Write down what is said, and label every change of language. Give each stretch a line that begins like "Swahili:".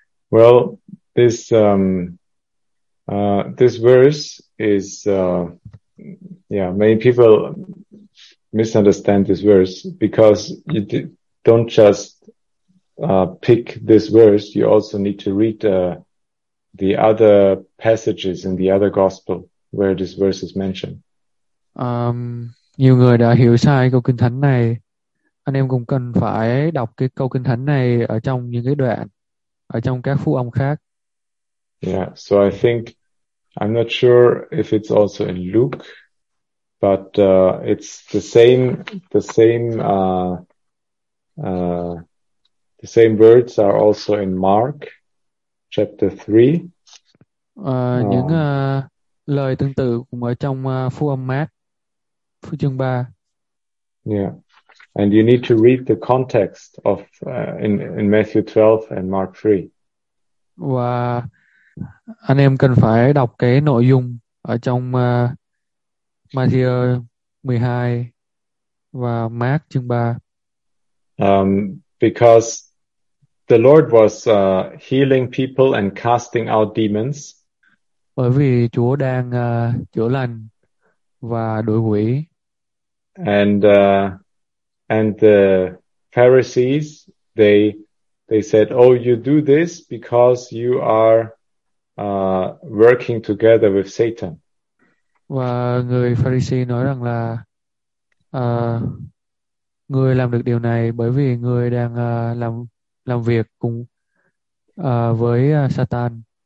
English: Well, this this verse is many people misunderstand this verse because you don't just pick this verse. You also need to read the other passages in the other gospel where this verse is mentioned.
Vietnamese: Nhiều người đã hiểu sai câu kinh thánh này. Anh em cũng cần phải đọc cái câu kinh thánh này ở trong những cái đoạn ở trong các phúc âm khác.
English: Yeah, so I think I'm not sure if it's also in Luke, but it's the same words are also in Mark chapter 3.
Vietnamese: Những lời tương tự cũng ở trong phúc âm Mát phúc chương 3.
English: Yeah. And you need to read the context of in Matthew 12 and Mark 3.
Vietnamese: Và anh em cần phải đọc cái nội dung ở trong Matthew 12 và Mark chương 3.
English: Because the Lord was healing people and casting out demons.
Vietnamese: Bởi vì Chúa đang chữa lành và đuổi quỷ.
English: And the Pharisees, they said, "Oh, you do this because you are working together with Satan."
Vietnamese: Và người Pharisee nói rằng là người làm được điều này bởi vì người đang làm việc cùng với Satan.